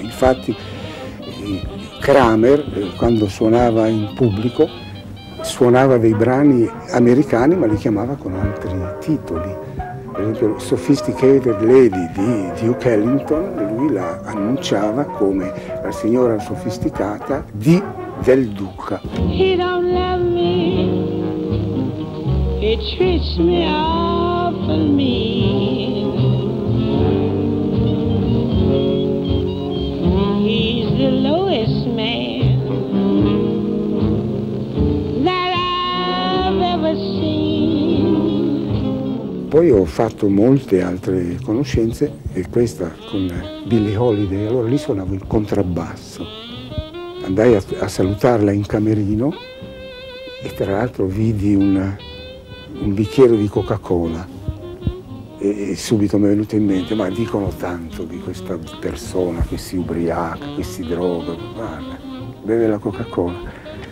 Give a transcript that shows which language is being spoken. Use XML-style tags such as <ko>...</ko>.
<it>Infatti Kramer, quando suonava in pubblico, suonava dei brani americani, ma li chiamava con altri titoli. Per esempio Sophisticated Lady di Duke Ellington, lui la annunciava come la signora sofisticata di del Duca.</it> <en>He don't love me, he treats me awful mean. He's the lowest man that I've ever seen.</en> <it>Poi ho fatto molte altre conoscenze, e questa con Billie Holiday, allora lì suonavo il contrabbasso. Andai a salutarla in camerino e tra l'altro vidi un bicchiere di Coca-Cola e subito mi è venuto in mente, ma dicono tanto di questa persona che si ubriaca, che si droga, guarda, beve la Coca-Cola.</it>